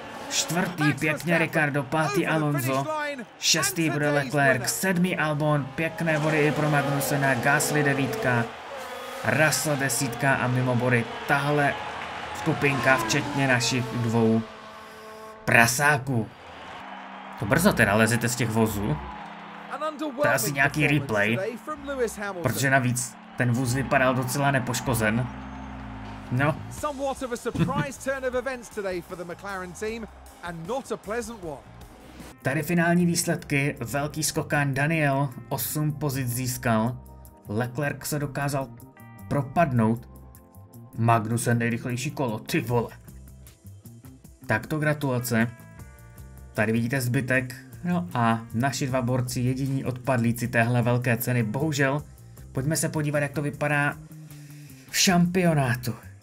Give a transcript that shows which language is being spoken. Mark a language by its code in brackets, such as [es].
[cs] Čtvrtý pěkně Ricardo, pátý Alonso, šestý bude Leclerc, sedmý Albon, pěkné body i pro Magnusena, Gasly devítka, Russell desítka a mimo body tahle skupinka, včetně našich dvou prasáků. To brzo teda lezete z těch vozů. To je asi nějaký replay, protože navíc ten vůz vypadal docela nepoškozen. No. [en] Somewhat of a surprise turn of events today for the McLaren team, and not a pleasant one. [cs] Tady finální výsledky, velký skokán Daniel, 8 pozic získal, Leclerc se dokázal propadnout, Magnussen nejrychlejší kolo, ty vole. Tak to gratulace, tady vidíte zbytek, no a naši dva borci jediní odpadlíci téhle velké ceny, bohužel, pojďme se podívat, jak to vypadá v šampionátu.